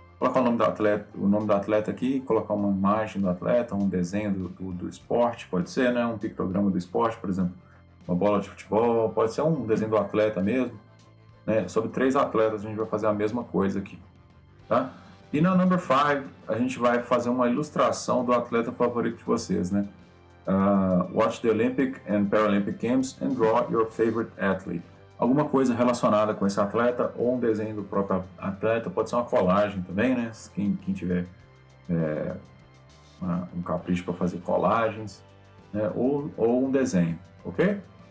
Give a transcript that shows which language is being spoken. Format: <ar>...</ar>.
<pt>colocar o nome do atleta aqui, colocar uma imagem do atleta, um desenho do esporte, pode ser, né? Um pictograma do esporte, por exemplo, uma bola de futebol, pode ser um desenho do atleta mesmo, né? Sobre três atletas, a gente vai fazer a mesma coisa aqui, tá? E na number 5, a gente vai fazer uma ilustração do atleta favorito de vocês, né?</pt> <en>Watch the Olympic and Paralympic Games and draw your favorite athlete.</en> <pt>Alguma coisa relacionada com esse atleta ou um desenho do próprio atleta, pode ser uma colagem também, né? Quem tiver um capricho para fazer colagens, né? Ou um desenho, ok?</pt>